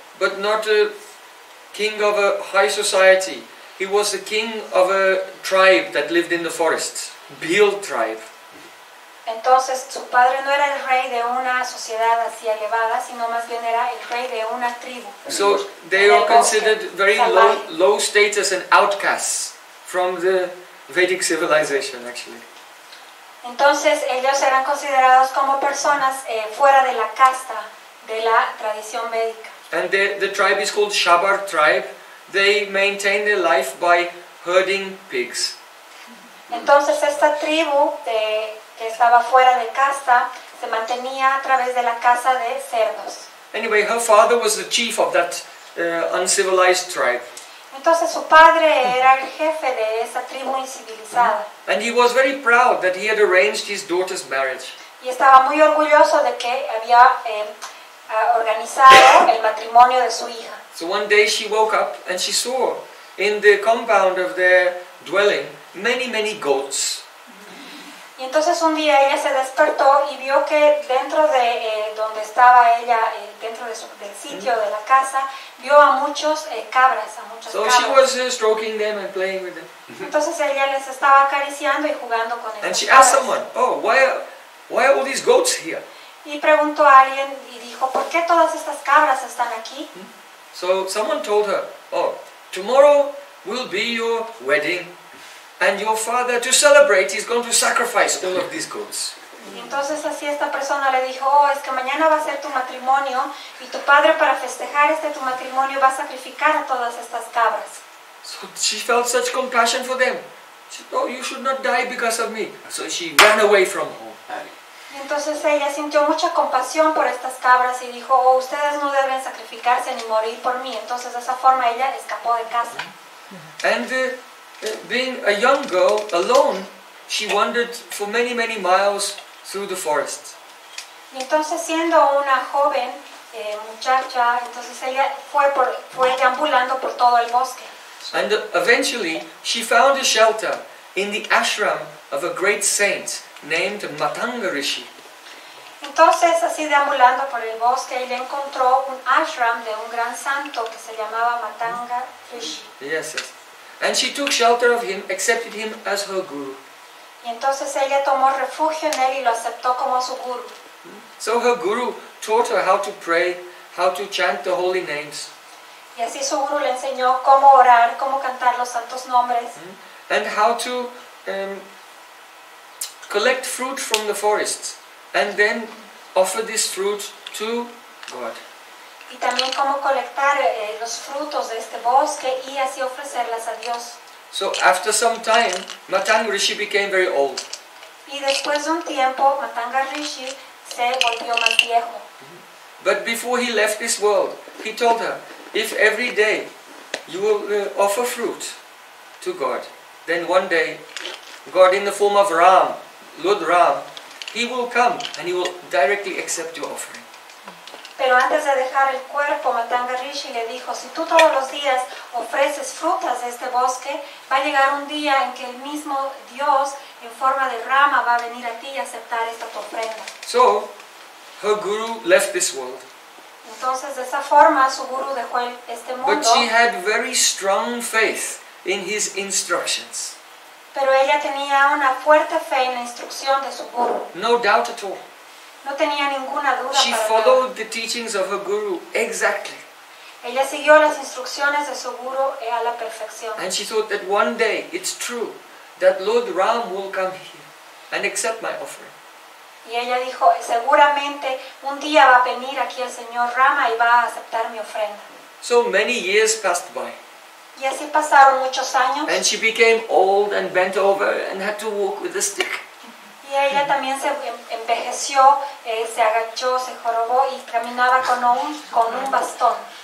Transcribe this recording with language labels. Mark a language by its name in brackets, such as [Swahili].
[English] But not a king of a high society. He was a king of a tribe that lived in the forest. Beel tribe. [Spanish] Entonces, su padre no era el rey de una sociedad así elevada, sino más bien era el rey de una tribu. [English] So, they are considered very low status and outcasts from the Vedic civilization, actually. [Spanish] Entonces ellos eran considerados como personas fuera de la casta de la tradición védica. [English] And the tribe is called Shabar tribe. They maintain their life by herding pigs. [Spanish] Entonces esta tribu que estaba fuera de casta se mantenía a través de la caza de cerdos. [English] Anyway, her father was the chief of that uncivilized tribe. [Spanish] Entonces su padre era el jefe de esa tribu incivilizada. [English] And he was very proud that he had arranged his daughter's marriage. [Spanish] Y estaba muy orgulloso de que había organizado el matrimonio de su hija. [English] So one day she woke up and she saw in the compound of their dwelling many, many goats. [Spanish] Y entonces un día ella se despertó y vio que dentro de donde estaba ella, dentro del sitio de la casa, vio a muchos cabras, a muchas [English] so [Spanish] cabras. [English] She was stroking them and playing with them. [Spanish] Entonces ella les estaba acariciando y jugando con ellos. [English] And she asked someone, oh, why are all these goats here? [Spanish] Y preguntó a alguien y dijo, ¿por qué todas estas cabras están aquí? [English] So someone told her, oh, tomorrow will be your wedding. And your father, to celebrate, is going to sacrifice all of these goats. [Spanish] Y Entonces así esta persona le dijo, oh, es que mañana va a ser tu matrimonio y tu padre para festejar este tu matrimonio va a sacrificar a todas estas cabras. [English] So she felt such compassion for them. She said, oh, you should not die because of me. So she ran away from home. [Spanish] Entonces ella sintió mucha compasión por estas cabras y dijo, oh, ustedes no deben sacrificarse ni morir por mí. Entonces de esa forma ella escapó de casa. [English] And being a young girl alone, she wandered for many, many miles through the forest. [Spanish] Y entonces siendo una joven muchacha, entonces ella fue deambulando por todo el bosque. [English] And eventually she found a shelter in the ashram of a great saint named Matanga Rishi. [Spanish] Entonces, así deambulando por el bosque, ella encontró un ashram de un gran santo que se llamaba Matanga Rishi. [English] Yes, yes. And she took shelter of him, accepted him as her guru. [Spanish] Y entonces ella tomó refugio en él y lo aceptó como su guru. [English] So her guru taught her how to pray, how to chant the holy names. [Spanish] Y así su guru le enseñó cómo orar, cómo cantar los santos nombres. [English] And how to collect fruit from the forest and then offer this fruit to God. [Spanish] Y también cómo colectar los frutos de este bosque y así ofrecerlas a Dios. [English] So after some time, Matanga Rishi became very old. [Spanish] Y después de un tiempo, Matanga Rishi se volvió más viejo. [English] But before he left this world, he told her, if every day you will offer fruit to God, then one day God in the form of Ram, Lord Ram, he will come and he will directly accept your offering. [Spanish] Pero antes de dejar el cuerpo, Matanga Rishi le dijo, si tú todos los días ofreces frutas de este bosque, va a llegar un día en que el mismo Dios en forma de Rama va a venir a ti y aceptar esta tu ofrenda. [English] So, her guru left this world. [Spanish] Entonces, de esa forma, su guru dejó este mundo. [English] But she had very strong faith in his instructions. [Spanish] Pero ella tenía una fuerte fe en la instrucción de su guru. [English] No doubt at all. [Spanish] No tenía ninguna duda. [English] She followed the teachings of her guru exactly. [Spanish] Ella siguió las instrucciones de su guru a la perfección. [English] And she thought that one day it's true that Lord Ram will come here and accept my offering. [Spanish] Y ella dijo, seguramente un día va a venir aquí el señor Rama y va a aceptar mi ofrenda. [English] So many years passed by. [Spanish] Y así pasaron muchos años. [English] And she became old and bent over and had to walk with a stick. [Spanish] Y ella también se envejeció, se agachó, se jorobó y caminaba con un bastón.